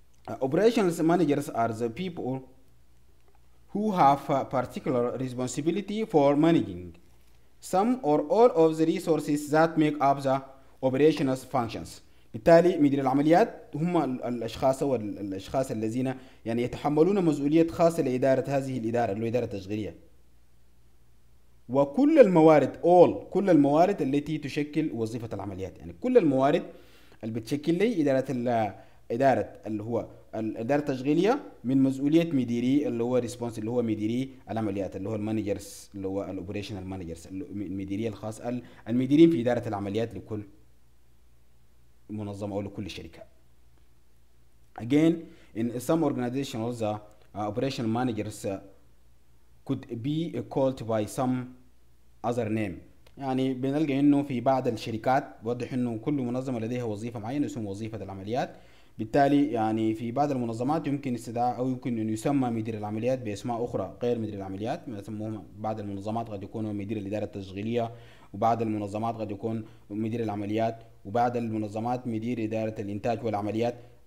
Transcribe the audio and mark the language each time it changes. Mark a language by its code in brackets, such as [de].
[en] Operational managers are the people who have a particular responsibility for managing some or all of the resources that make up the operational functions. [ar] بالتالي مدير العمليات هم الاشخاص والاشخاص الذين يعني يتحملون مسؤوليه خاصه لاداره هذه الاداره اللي هي الاداره التشغيليه. وكل الموارد all كل الموارد التي تشكل وظيفه العمليات، يعني كل الموارد اللي بتشكل لي اداره اداره اللي هو الاداره التشغيليه من مسؤوليه مديري اللي هو ريسبونس اللي هو مديري العمليات اللي هو المانجرز اللي هو الاوبريشنال مانجرز المديري الخاص المديرين في اداره العمليات لكل منظمه او لكل شركه. [en] Again in some organizations the operational managers could be called by some other name. [ar] يعني بنلقى انه في بعض الشركات بوضح انه كل منظمه لديها وظيفه معينه اسم وظيفه العمليات، بالتالي يعني في بعض المنظمات يمكن استدعاء او يمكن ان يسمى مدير العمليات باسماء اخرى غير مدير العمليات، يسموهم بعض المنظمات قد يكون مدير الاداره التشغيليه، وبعض المنظمات قد يكون مدير العمليات، وبعض المنظمات مدير اداره الانتاج والعمليات،